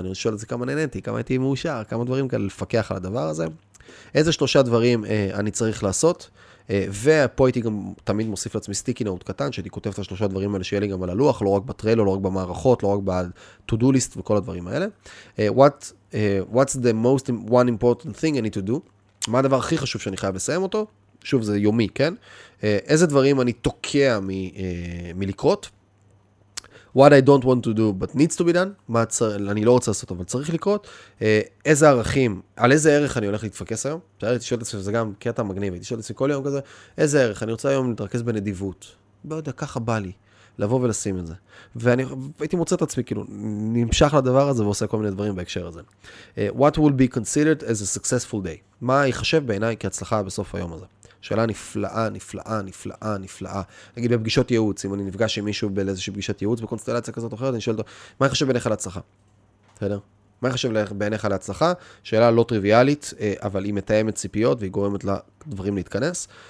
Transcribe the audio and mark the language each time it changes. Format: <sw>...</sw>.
<he>אני שואל את זה כמה נהניתי, כמה הייתי מאושר, כמה דברים כאלה לפקח על הדבר הזה. איזה 3 דברים, אני צריך לעשות? ופה הייתי גם תמיד מוסיף לעצמי סטיקי נאות קטן, שהייתי כותב את השלושה דברים האלה שיהיה לי גם על הלוח, לא רק בטרייל, לא רק במערכות, לא רק ב-to-do list וכל הדברים האלה.</he> <en>What's the most one important thing I need to do?</en> <he>מה הדבר הכי חשוב שאני חייב לסיים אותו? שוב, זה יומי, כן? איזה דברים אני תוקע מלקרות?</he> <en>What I don't want to do but needs to be done?</en> <he>אני לא רוצה לעשות, אבל צריך לקרות. איזה ערכים, על איזה ערך אני הולך להתפקס היום? הייתי שואל את עצמי, זה גם קטע מגניב, הייתי שואל את עצמי כל יום כזה, איזה ערך, אני רוצה היום להתרכז בנדיבות. לא יודע, ככה בא לי, לבוא ולשים את זה. והייתי מוצא את עצמי, כאילו, נמשך לדבר הזה ועושה כל מיני דברים בהקשר הזה.</he> <en>What will be considered as a successful day?</en> <he>מה ייחשב בעיניי כהצלחה בסוף היום הזה? שאלה נפלאה, נפלאה, נפלאה, נפלאה. נגיד בפגישות ייעוץ, אם אני נפגש עם מישהו באיזושהי פגישת ייעוץ, בקונסטלציה כזאת או אחרת, אני שואל אותו, מה יחשב בעיניך להצלחה? בסדר? מה יחשב בעיניך להצלחה? שאלה לא טריוויאלית, אבל היא מתאמת ציפיות, והיא גורמת לדברים להתכנס.</he>